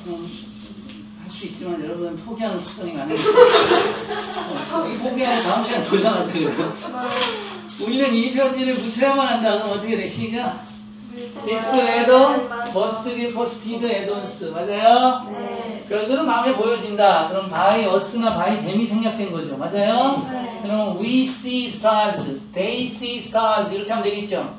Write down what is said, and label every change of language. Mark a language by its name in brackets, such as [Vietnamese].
[Korean] 할 수 있지만 여러분은 포기하는 습성이 많아요. 포기하면 다음 시간 돌려놔주세요. 우리는 이 편지를 붙여야만 한다. 그럼 어떻게 돼? 시작. [English] This letter must be posted at once. [Korean] 맞아요? 네. 그들은 마음에 보여진다. 그럼 by us 나 by them 이 생략된 거죠. 맞아요? 네. [English] 그럼 we see stars, they see stars. 이렇게 하면 되겠죠?